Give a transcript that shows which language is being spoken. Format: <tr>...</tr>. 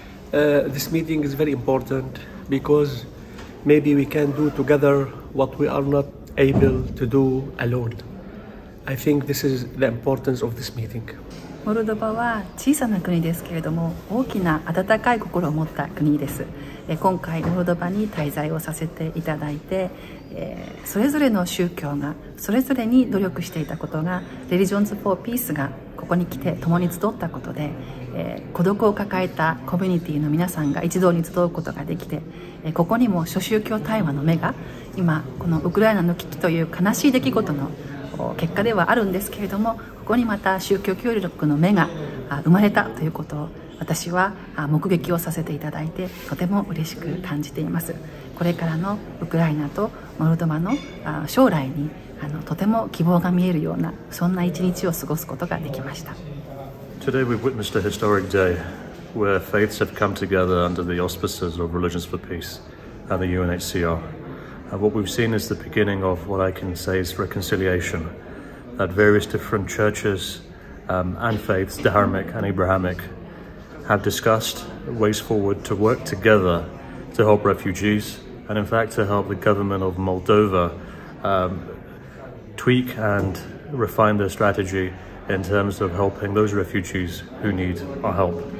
<en>This meeting is very important because maybe we can do together what we are not able to do alone. I think this is the importance of this meeting. Moldova is a small country, but it is a large and warm heart country. Today, I have been in Moldova for 3 years.</en> <ja>それぞれの宗教がそれぞれに努力していたことが Religions for Peace がここに来て共に集ったことで、孤独を抱えたコミュニティの皆さんが一堂に集うことができて、ここにも諸宗教対話の目が今このウクライナの危機という悲しい出来事の結果ではあるんですけれども、ここにまた宗教協力の目が生まれたということを私は目撃をさせていただいて、とても嬉しく感じています。これからのウクライナとモルドバの将来にとても希望が見えるような、そんな一日を過ごすことができました。</ja> <en>Today we've witnessed a historic day where faiths have come together under the auspices of Religions for Peace and the UNHCR. What we've seen is the beginning of what I can say is reconciliation, that various different churches and faiths, Dharmic and Abrahamic,have discussed ways forward to work together to help refugees, and in fact to help the government of Moldova tweak and refine their strategy in terms of helping those refugees who need our help.</en>